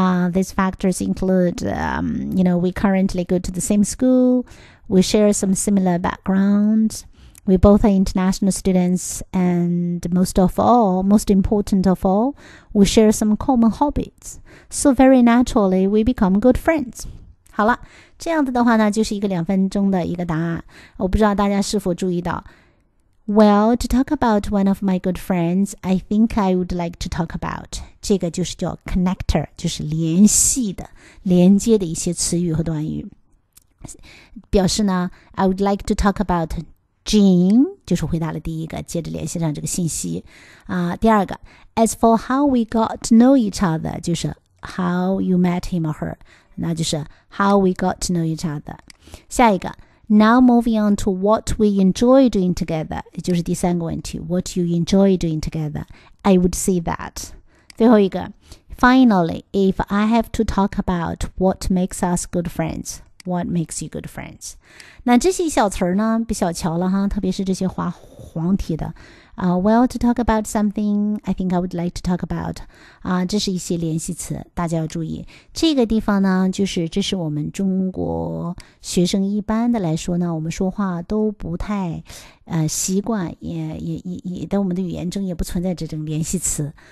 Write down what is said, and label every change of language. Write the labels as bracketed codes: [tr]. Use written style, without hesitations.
[en] These factors include, we currently go to the same school. We share some similar background. We both are international students. And most important of all, we share some common hobbies. So very naturally, we become good friends. [zh] 好了，这样子的话呢，就是一个两分钟的一个答案。我不知道大家是否注意到。 [en] Well, to talk about one of my good friends, I think I would like to talk about. [zh] 这个就是叫 connector, 就是联系的、连接的一些词语和短语。表示呢 [en] I would like to talk about Jane [zh] 就是回答了第一个接着联系上这个信息第二个 [en] As for how we got to know each other [zh] 就是 [en] how you met him or her [zh] 那就是 [en] how we got to know each other [zh] 下一个 [en] Now moving on to what we enjoy doing together [zh] 也就是第三个问题 [en] What you enjoy doing together I would say that [zh] 最后一个 [en] Finally if I have to talk about what makes us good friendsWhat makes you good friends? [zh] 那这些小词儿呢，别小瞧了哈，特别是这些黄体的， [en] Well, to talk about something, I think I would like to talk about. [zh] 这是一些联系词，大家要注意。这个地方呢，就是这是我们中国学生一般的来说呢，我们说话都不太习惯，也在我们的语言中也不存在这种联系词。